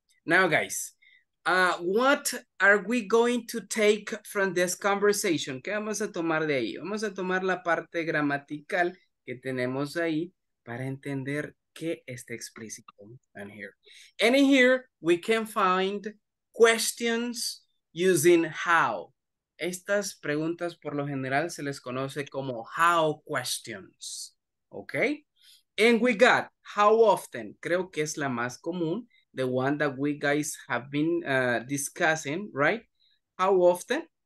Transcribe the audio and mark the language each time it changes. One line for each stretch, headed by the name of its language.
English: Now, guys, what are we going to take from this conversation?
Spanish: ¿Qué vamos a tomar de ahí? Vamos a tomar la parte gramatical que tenemos ahí para entender qué está explícito.
English: And here. And here, we can find questions using how.
Spanish: Estas preguntas por lo general se les conoce como how questions, okay?
English: And we got how often,
Spanish: creo que es la más común,
English: the one that we guys have been discussing, right? How often?